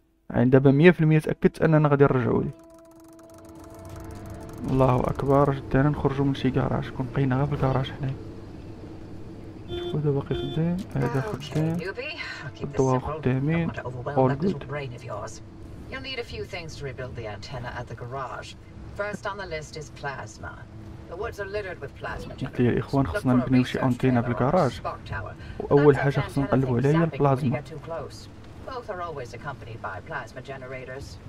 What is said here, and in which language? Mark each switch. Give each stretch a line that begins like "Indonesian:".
Arabic: يعني دابا 100% تاكدت اننا غادي نرجعو ليه. الله اكبر، جدا نخرجو من شي كراج، كون بقينا غير في الكراج حنايا. شوفو هذا باقي خدام، هذا خدام، الضوا خدامين، اول جود.
English: You'll need a few things to rebuild the antenna at the garage. First on the list is plasma. The woods are littered with plasma generators.
Arabic: يا إخوان خصنا نبنيو شي أنتينا في الكراج. أول حاجة خصنا نقلبو عليها هي البلازما.
English: Both are always accompanied by plasma generators.